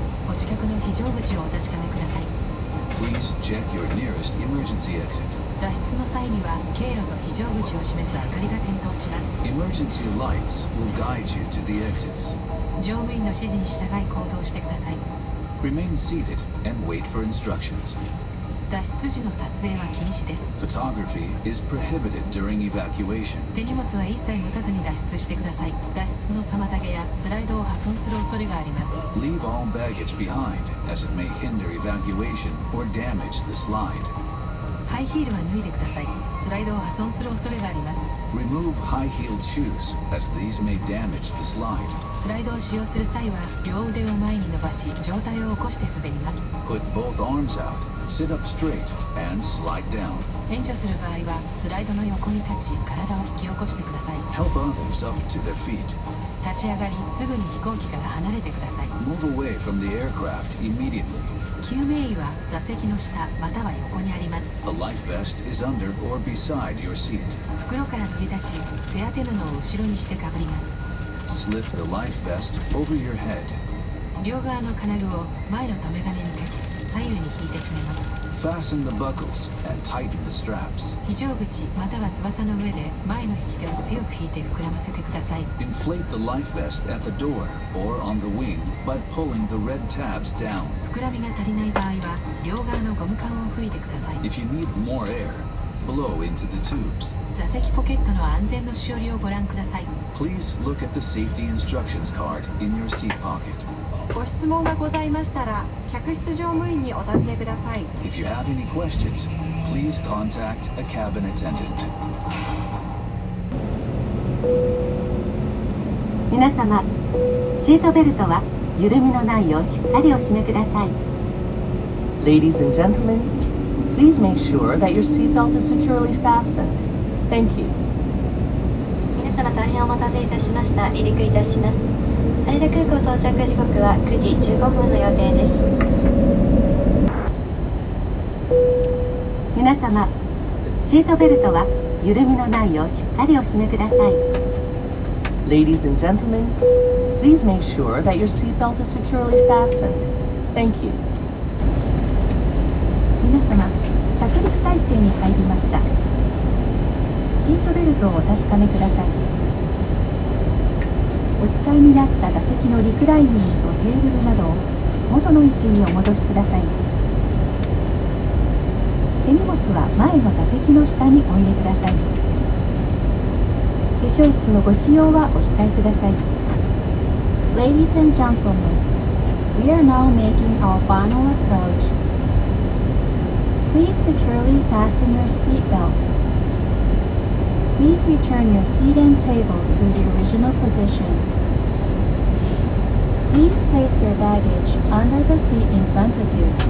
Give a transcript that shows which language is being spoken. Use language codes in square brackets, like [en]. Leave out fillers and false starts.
[ja] お近くの非常口をお確かめください。 [en] Please check your nearest emergency exit. [ja] 脱出の際には経路と非常口を示す明かりが点灯します。 [en] Emergency lights will guide you to the exits. [ja] 乗務員の指示に従い行動してください。 [en] Remain seated and wait for instructions. [ja] 脱出時の撮影は禁止です。 [en] Photography is prohibited during evacuation. [ja] 手荷物は一切持たずに脱出してください。脱出の妨げやスライドを破損する恐れがあります。 [en] Leave all baggage behind, as it may hinder evacuation or damage the slide. [ja] ハイヒールは脱いでください。スライドを破損する恐れがあります。 [en] Remove high-heeled shoes, as these may damage the slide. [ja] スライドを使用する際は、両腕を前に伸ばし、上体を起こして滑ります。 [en] Put both arms out. Sit up straight and slide down. [ja] 援助する場合はスライドの横に立ち体を引き起こしてください。 [en] Help others up to their feet. [ja] 立ち上がりすぐに飛行機から離れてください。 [en] Move away from the aircraft immediately. [ja] 救命衣は座席の下または横にあります。 [en] A life vest is under or beside your seat. [ja] 袋から取り出し背当て布を後ろにしてかぶります。 [en] Slip the life vest over your head. [ja] 両側の金具を前の留め金にかけ左右に引いて閉めます。 [en] Fasten the buckles and tighten the straps. [ja] 非常口または翼の上で前の引き手を強く引いて膨らませてください。 [en] Inflate the life vest at the door or on the wing by pulling the red tabs down. [ja] 膨らみが足りない場合は両側のゴム管を吹いてください。 [en] If you need more air, blow into the tubes. [ja] 座席ポケットの安全のしおりをご覧ください。 [en] Please look at the safety instructions card in your seat pocket. [ja] ご質問がございましたら、客室乗務員にお尋ねください。 [en] If you have any questions, please contact a cabin attendant. [ja] 皆様、シートベルトは緩みのないようしっかりお締めください。 [en] Ladies and gentlemen, please make sure that your seatbelt is securely fastened. Thank you. [ja] 皆様、大変お待たせいたしました。離陸いたします。羽田空港到着時刻は9時15分の予定です。皆様、シートベルトは緩みのないようしっかりお締めください。 [en] Ladies and gentlemen, please make sure that your seatbelt is securely fastened. Thank you. [ja] 皆様、着陸態勢に入りました。シートベルトをお確かめください。お使いになった座席のリクライニングとテーブルなどを元の位置にお戻しください。手荷物は前の座席の下にお入れください。化粧室のご使用はお控えください。 [en] Ladies and gentlemen, we are now making our final approach. Please securely fasten your seat belt. Please return your seat and table to the original positionPlease place your baggage under the seat in front of you.